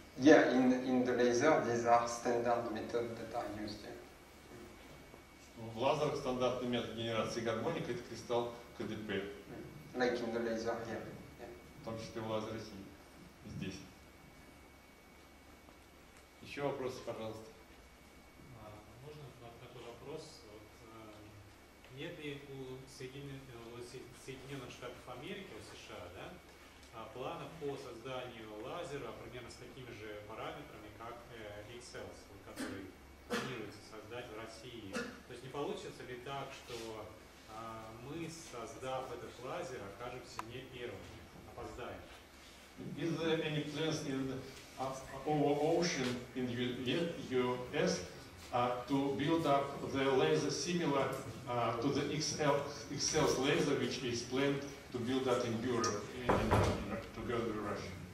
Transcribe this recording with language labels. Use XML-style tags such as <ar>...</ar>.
<en>Yeah, in the laser, these are standard methods that are used. Yeah.</en> <ru>В лазерах стандартный метод генерации гармоника это кристалл КДП.</ru> <en>Like in the laser, yeah. Yeah.</en> <ru>В том числе в лазере и здесь. Еще вопросы, пожалуйста. Можно такой вопрос? Вот, нет ли у Соединенных Штатов Америки, у США, да, планов по созданию лазера примерно с такими же параметрами, как Excels, который планируется создать в России? То есть не получится ли так, что мы, создав этот лазер, окажемся не первыми, опоздаем?</ru> <en>Is there any plans in our ocean in U.S. To build up the laser similar to the Excel laser, which is planned to build that in Europe, in together with Russia?</en>